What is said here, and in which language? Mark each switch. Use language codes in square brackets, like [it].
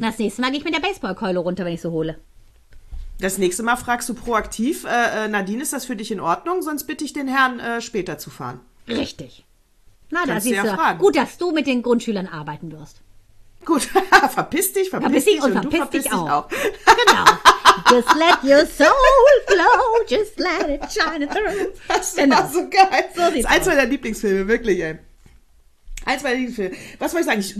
[de] Das nächste Mal gehe ich mit der Baseballkeule runter, wenn ich sie hole. Das nächste Mal fragst du proaktiv, Nadine, ist das für dich in Ordnung? Sonst bitte ich den Herrn, später zu fahren. Richtig. Na, da siehst du. Ja, gut, dass du mit den Grundschülern arbeiten wirst. Gut, verpiss dich und du verpiss dich auch. Genau. [en] Just let your soul flow, just let it shine through. [de] Das war so geil. So sieht's aus. Eins meiner Lieblingsfilme, wirklich, ey. Eins meiner Lieblingsfilme. Was wollte ich sagen?